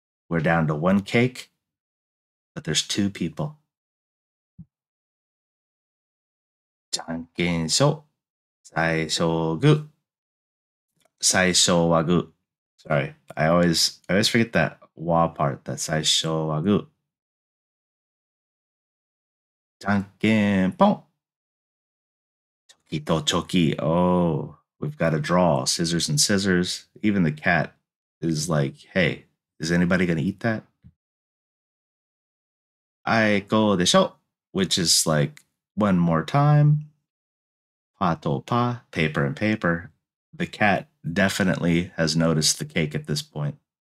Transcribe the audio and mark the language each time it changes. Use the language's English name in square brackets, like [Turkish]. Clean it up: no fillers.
[English] We're down to one cake, but there's two people. [Japanese] じゃんけんしょ。最初グー。最初はグー。 [English] Sorry, I always forget that wa part, that [Japanese] 最初はグー。じゃんけんポン。チョキとチョキ。 [English] Oh, we've got to draw scissors and scissors. Even the cat is like, hey, is anybody going to eat that? [Japanese] Aiko de shou, [English] which is like one more time. [Japanese] Pa to pa, [English] paper and paper. The cat definitely has noticed the cake at this point.